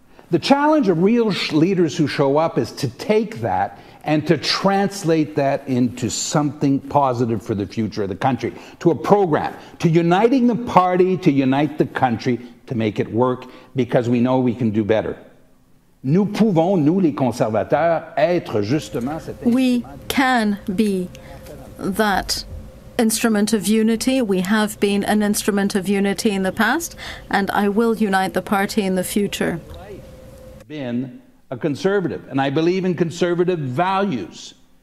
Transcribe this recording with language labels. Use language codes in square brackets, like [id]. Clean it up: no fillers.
[en] The challenge of real leaders who show up is to take that and to translate that into something positive for the future of the country, to a program, to uniting the party, to unite the country, to make it work, because we know we can do better. [fr] Nous pouvons, nous les conservateurs, être justement cet [en] instrument. We can be that instrument of unity. We have been an instrument of unity in the past, and I will unite the party in the future. Been a conservative, and I believe in conservative values.